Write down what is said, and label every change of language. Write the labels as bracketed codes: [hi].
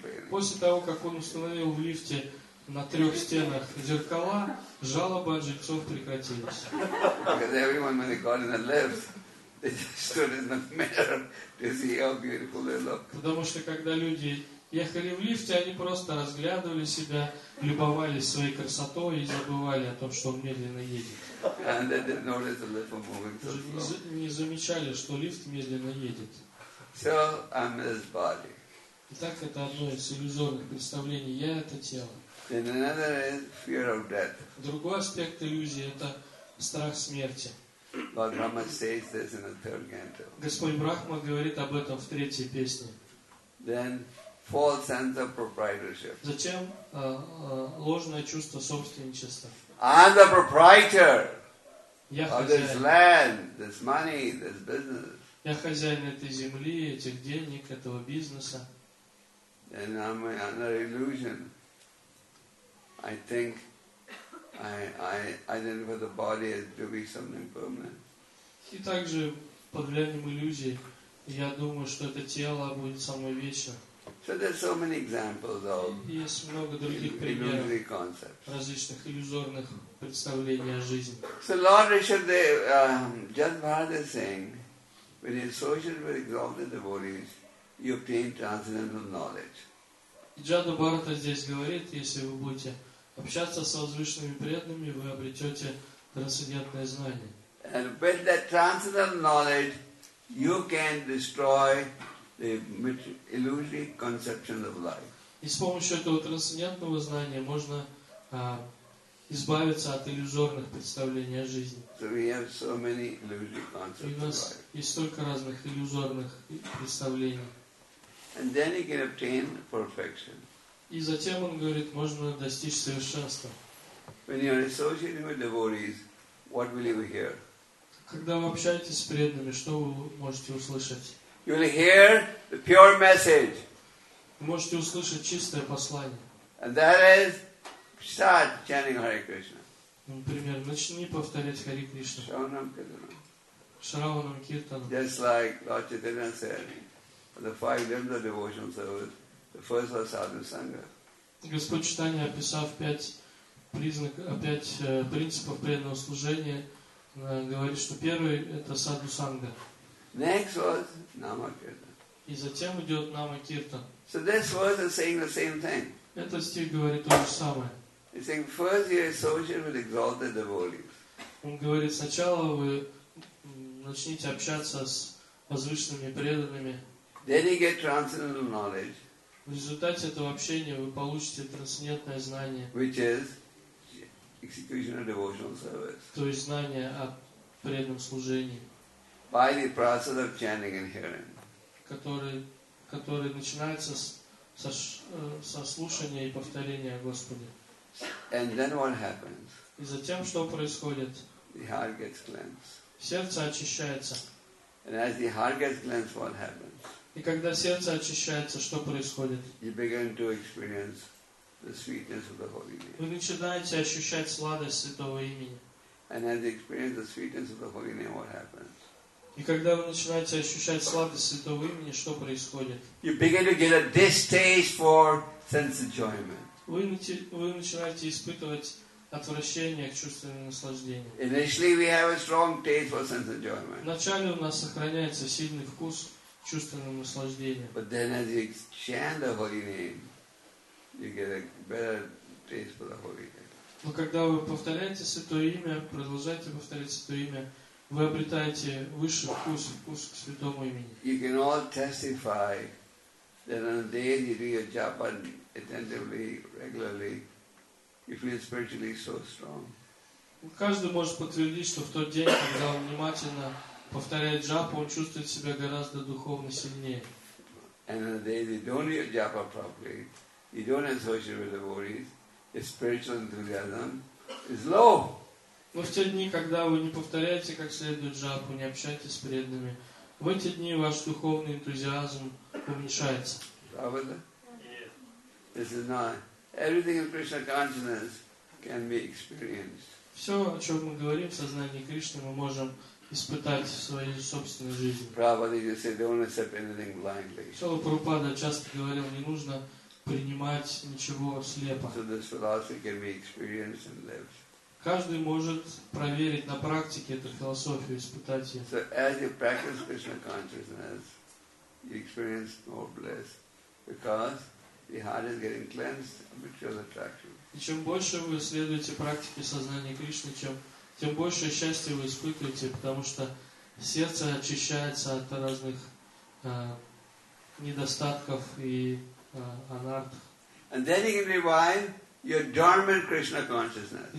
[ru] После того, как он установил в лифте на трех стенах зеркала, жалобы от жильцов прекратились. Потому что когда люди ехали в лифте, они просто разглядывали себя, любовались своей красотой и забывали о том, что он медленно едет. [en] And they didn't notice the lift moving so slow. [ru] Не замечали, что лифт медленно едет. [en] So, I'm his body. [ru] Итак, это одно из иллюзорных представлений. Я — это тело. [en] And another is fear of death. [ru] Другой аспект иллюзии — это страх смерти. [en] Lord Brahma says this in the third canto. [ru] Господь Брахма говорит об этом в третьей песне. [en] Then false sense of proprietorship. [ru] Зачем ложное чувство собственничества? [en] I'm the proprietor of this land, this money, this business. [ru] Я хозяин этой земли, этих денег, этого бизнеса. [en] And I'm under illusion. I think I identify the body as to be something permanent. [ru] И также под влиянием иллюзии я думаю, что это тело будет самой вечным. [en] So there's so many examples of illusory concepts. [ru] Различных иллюзорных представлений о жизни. [en] So Lord Rishabhadeva, Jadavarta is saying, when you associate with exalted devotees, you obtain transcendental knowledge. [ru] Джада Бхарата здесь говорит, если вы будете общаться с возвышенными преданными, вы обретете трансцендентное знание. [en] And with that transcendental knowledge, you can destroy the illusory conception of life. [ru] И с помощью этого трансцендентного знания можно избавиться от иллюзорных представлений о жизни. [en] So we have so many illusory concepts. [ru] И у нас есть столько разных иллюзорных представлений. [en] And then you can obtain perfection. [ru] И затем он говорит, можно достичь совершенства. [en] When you are associating with devotees, what will you hear? [ru] Когда вы общаетесь с преданными, что вы можете услышать? [en] You will hear the pure message. [ru] Вы можете услышать чистое послание. [en] And that is, start chanting Hare Krishna. [ru] Например, начни повторять Хари Кришна. Шраванам Киртанам. Шраванам Киртанам. [en] Just like Lord Chaitanya said, the five limbs of devotional service, the first was sadhana sangha. [ru] Господь Читания, описав пять принципов преданного служения, говорит, что первый это саду санга. [en] Next was намакирта. [ru] И затем идет намакирта. [en] So this verse is saying the same thing. [ru] Этот стих говорит то же самое. [en] He's saying first you associate with exalted devotees. [ru] Он говорит, сначала вы начните общаться с возвышенными преданными. [en] Then you get transcendental knowledge. [ru] В результате этого общения вы получите трансцендентное знание. [en] Which is execution of devotional service. [ru] То есть знание о преданном служении. [en] By the process of chanting and hearing. [ru] Который начинается со слушания и повторения Господи. [en] And then what happens? [ru] И затем что происходит? [en] The heart gets cleansed. [ru] Сердце очищается. [en] And as the heart gets cleansed, what happens? [ru] И когда сердце очищается, что происходит? [en] You begin to experience the sweetness of the holy name. [ru] Вы начинаете ощущать сладость святого имени. [en] And as you experience the sweetness of the holy name, what happens? [ru] И когда вы начинаете ощущать сладость святого имени, что происходит? [en] You begin to get a distaste for sense enjoyment. [ru] Вы начинаете испытывать отвращение к чувственным наслаждениям. [en] Initially, we have a strong taste for sense enjoyment. [ru] Вначале у нас сохраняется сильный вкус чувственного наслаждения. [en] But then, as you chant the holy name, you get a better taste for the holy name. [ru] Но когда вы повторяете святое имя, продолжаете повторять святое имя, вы обретаете высший вкус, вкус к святому имени. [en] You can all testify that on the day you do your japa attentively, regularly, you feel spiritually so strong. [ru] Каждый может подтвердить, что в тот день, когда он внимательно повторяет джапу, он чувствует себя гораздо духовно сильнее. [en] And on the day you don't do your japa properly, you don't associate with devotees, your spiritual enthusiasm is low. [ru] Но в те дни, когда вы не повторяете как следует джапу, не общаетесь с преданными, в эти дни ваш духовный энтузиазм уменьшается. Правда? [en] This is not. Everything in Krishna consciousness can be experienced. [ru] Все, о чем мы говорим в сознании Кришны, мы можем испытать в своей собственной жизни. [en] Правда, you say, don't accept anything blindly. [ru] Шрила Прабхупада часто говорил, не нужно принимать ничего слепо. [en] So this philosophy can be experienced and lived. [ru] Каждый может проверить на практике эту философию, испытать ее. [en] So as you practice Krishna consciousness, you experience more bliss because the heart is getting cleansed of material attraction. [ru] И чем больше вы следуете практике сознания Кришны, тем больше счастья вы испытываете, потому что сердце очищается от разных недостатков и анартх. [en] And then you can rewind your dormant Krishna consciousness.